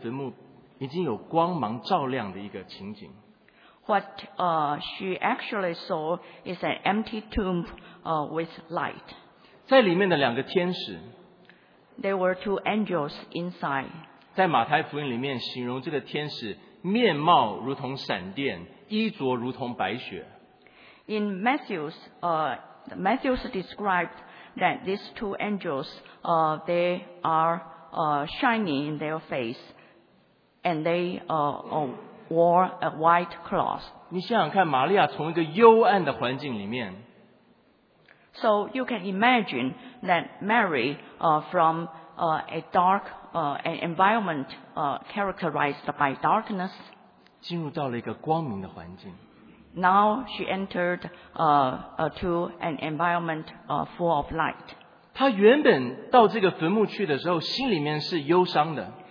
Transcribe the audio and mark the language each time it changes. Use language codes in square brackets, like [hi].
[zh] 她所看见的是一个黑暗的坟墓已经有光芒照亮的一个情景。 [en] What she actually saw is an empty tomb with light. [zh] 在里面的两个天使, [en] there were two angels inside. [zh] 在马太福音里面形容这个天使 面貌如同闪电, 衣着如同白雪。 [en] In Matthew described that these two angels, they are shining in their face, and they wore a white cloth. [zh] 你想想看, 玛利亚从一个幽暗的环境里面, [en] So you can imagine that Mary, from a dark an environment characterized by darkness. [zh] 进入到了一个光明的环境。 [en] Now she entered to an environment full of light. [zh] 她原本到这个坟墓去的时候, 心里面是忧伤的。